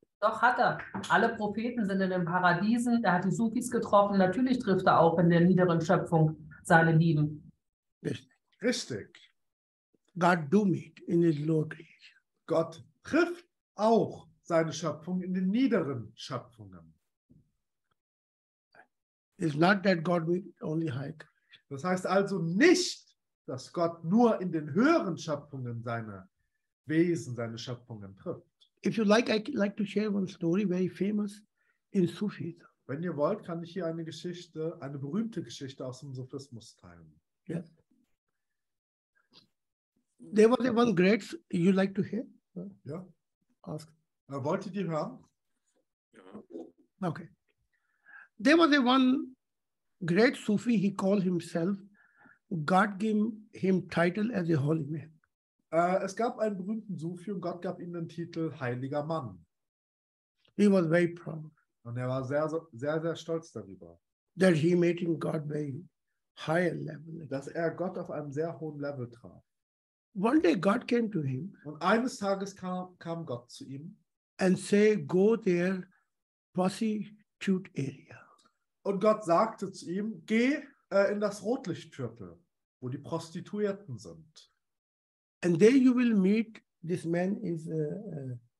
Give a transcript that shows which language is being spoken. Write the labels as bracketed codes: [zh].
[de] Doch, hat er. Alle Propheten sind in den Paradiesen. Er hat die Sufis getroffen. Natürlich trifft er auch in der niederen Schöpfung seine Lieben. Richtig. [en] God do meet in his lower creation. [de] Gott trifft auch seine Schöpfung in den niederen Schöpfungen. [en] It's not that God meet only high creation. [de] Das heißt also nicht, dass Gott nur in den höheren Schöpfungen seine Wesen, seine Schöpfungen trifft. [en] If you like, I'd like to share one story very famous in Sufism. [de] Wenn ihr wollt, kann ich hier eine berühmte Geschichte aus dem Sufismus teilen. [en] Yes. There was one great you like to hear? Yeah. Ask. [de] Wollte die hören? Ja. Okay. [en] There was one great Sufi, he called himself. God gave him title as a holy man. [de] Es gab einen berühmten Sufi und Gott gab ihm den Titel Heiliger Mann. [en] He was very proud. [de] Und er war sehr, sehr, sehr stolz darüber. [en] That he made God very high level. [de] Dass er Gott auf einem sehr hohen Level traf. [en] One day God came to him. [de] Und eines Tages kam Gott zu ihm. [en] And say, go there, prostitute area. [de] Und Gott sagte zu ihm, geh in das Rotlichtviertel, wo die Prostituierten sind. [en] And there you will meet this man is a